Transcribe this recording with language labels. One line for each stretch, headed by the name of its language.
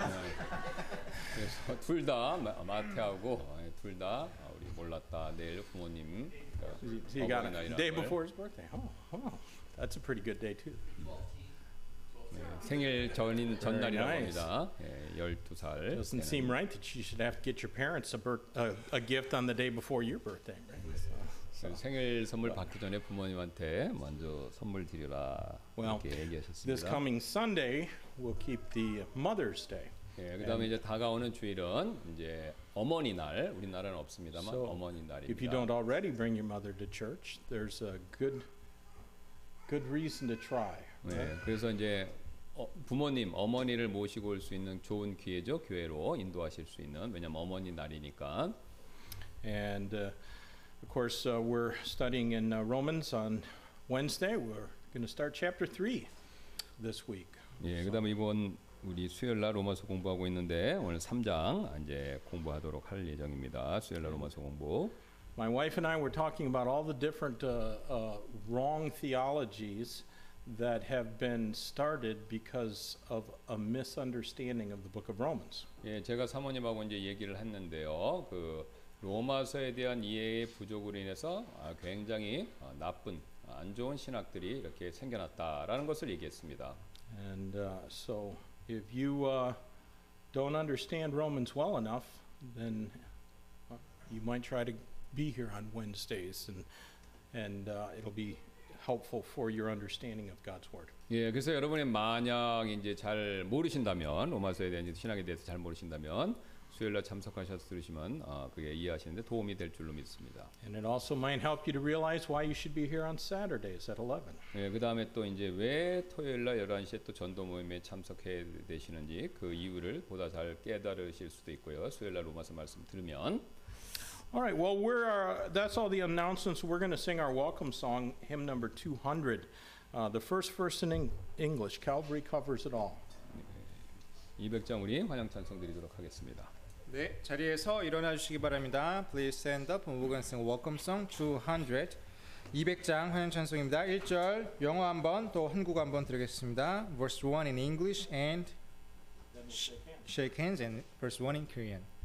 Korean: 그래서 둘 다 마태하고 둘 다 우리 몰랐다. 내일 부모님
English: Day before his birthday. Oh, that's a pretty good day too.
Korean: 생일 전인 전날이라고 합니다. 12살.
English: Doesn't seem right that you should have to get your parents a gift on the day before your birthday.
Korean: 생일 선물 받기 전에 부모님한테 먼저 선물 드리라 이렇게 얘기하셨습니다.
English: This coming Sunday we'll keep the Mother's Day.
Korean: 그다음에 이제 다가오는 주일은 이제 어머니 날. 우리나라는 없습니다만 어머니 날입니다.
English: If you don't already bring your mother to church, there's a good reason to try.
Korean: 네, 그래서 이제 부모님, 어머니를 모시고 올 수 있는 좋은 기회죠. 교회로 인도하실 수 있는. 왜냐면 어머니 날이니까.
English: And of course we're studying in Romans on Wednesday. We're going to start chapter 3 this week.
Korean: 예, 그다음 이번 우리 수요일 날 로마서 공부하고 있는데 오늘 3장 이제 공부하도록 할 예정입니다. 수요일 날 로마서 공부.
English: My wife and I were talking about all the different wrong theologies that have been started because of a misunderstanding of the book of Romans.
Korean: 예, 제가 사모님하고 이제 얘기를 했는데요. 그 로마서에 대한 이해의 부족으로 인해서 굉장히 나쁜 안 좋은 신학들이 이렇게 생겨났다라는 것을 얘기했습니다.
English: And so if you don't understand Romans well enough, then you might try to be here on Wednesdays, and it'll be helpful for your understanding of God's word.
Korean: 예, 그래서 여러분이 만약 이제 잘 모르신다면 로마서에 대한 신학에 대해서 잘 모르신다면 수요일날 참석하셔서 들으시면 그게 이해하시는데 도움이 될 줄로 믿습니다.
English: And it also might help you to realize why you should be here on Saturdays at 11.
Korean: 예, 그 다음에 또 이제 왜 토요일날 11시에 또 전도 모임에 참석해야 되시는지 그 이유를 보다 잘 깨달으실 수도 있고요. 수요일날 로마서 말씀 들으면.
English: All right. Well, that's all the announcements. We're going to sing our welcome song, hymn number 200. The first verse in English, Calvary covers it all.
Korean: 200장 우리 환영 찬송 드리도록 하겠습니다. 네, 자리에서 일어나 주시기 바랍니다.
English: Please stand up. We're going to sing welcome song 200.
Korean: 200장 환영 찬송입니다. 1절 영어 한번 또 한국어 한번 드리겠습니다.
English: Verse 1 in English and shake hands and verse 1 in Korean.